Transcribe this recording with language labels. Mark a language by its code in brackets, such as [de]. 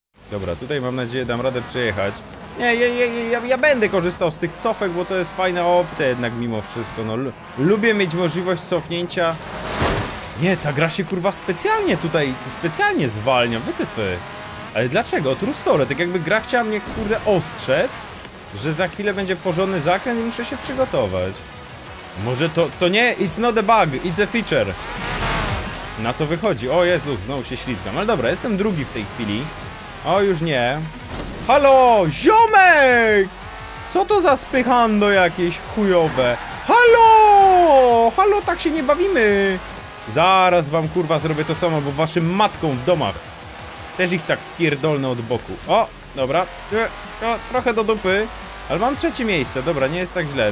[pl] Dobra, tutaj mam nadzieję dam radę przejechać. Nie, ja będę korzystał z tych cofek, bo to jest fajna opcja jednak mimo wszystko. No, lubię mieć możliwość cofnięcia. Nie, ta gra się kurwa specjalnie tutaj, specjalnie zwalnia, wytyfy. Ale dlaczego? [en] True story. [pl] Tak jakby gra chciała mnie, kurde, ostrzec, że za chwilę będzie porządny zakręt i muszę się przygotować. Może to nie, [en] it's not a bug, it's a feature. [pl] Na to wychodzi. O Jezus, znowu się ślizgam. Ale dobra, jestem drugi w tej chwili. O, już nie. Halo, ziomek! Co to za spychando jakieś chujowe? Halo! Halo, tak się nie bawimy! Zaraz wam, kurwa, zrobię to samo, bo waszym matkom w domach też ich tak pierdolne od boku. O, dobra. Trochę do dupy. Ale mam trzecie miejsce. Dobra, nie jest tak źle.